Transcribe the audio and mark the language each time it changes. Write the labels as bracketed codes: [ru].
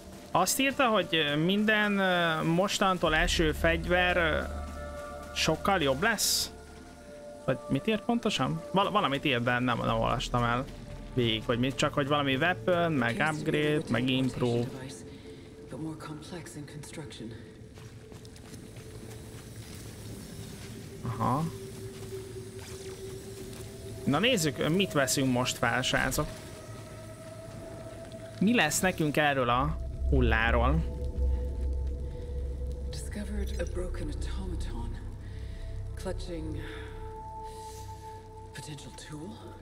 [hu] Azt írta, hogy minden mostantól első fegyver sokkal jobb lesz? Vagy mit írt pontosan? Valamit írt, de nem olvastam el végig, hogy mit, csak hogy valami weapon, meg upgrade, meg improve. [en] More complex in construction. [hu] Aha. Na nézzük, mit veszünk most fel, srácok. Mi lesz nekünk erről a hulláról? [en] Discovered a broken automaton. Clutching potential tool.